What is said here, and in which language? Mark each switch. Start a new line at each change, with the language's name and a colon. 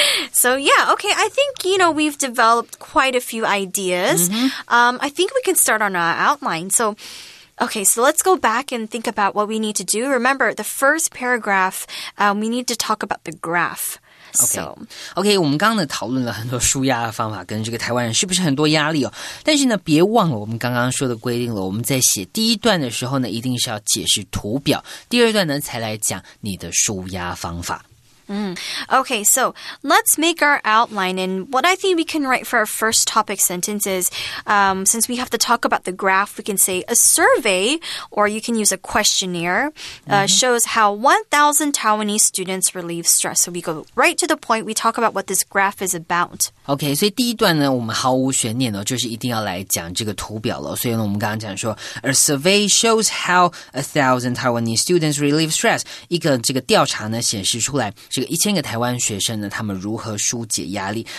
English: So yeah, okay, I think, you know, we've developed quite a few ideas. Mm-hmm. I think we can start on our outline. So okay, so let's go back and think about what we need to do. Remember, the first paragraph, we need to talk about the graph.
Chinese: OK, 我们刚刚呢讨论了很多纾压的方法跟这个台湾人是不是很多压力哦，但是呢别忘了我们刚刚说的规定了，我们在写第一段的时候呢一定是要解释图表，第二段呢才来讲你的纾压方法。
English: Okay, so let's make our outline. And what I think we can write for our first topic sentence is, since we have to talk about the graph, we can say a survey, or you can use a questionnaire, shows how 1,000 Taiwanese students relieve stress. So we go right to the point, we talk about what this graph is about.
Chinese: Okay, 所以第一段呢我们毫无悬念哦，就是一定要来讲这个图表了。所以呢我们刚刚讲说
English: a survey shows how 1,000 Taiwanese students relieve stress.
Chinese: 一个这个调查呢显示出来这个一千个台湾学生呢他们如何纾解压力。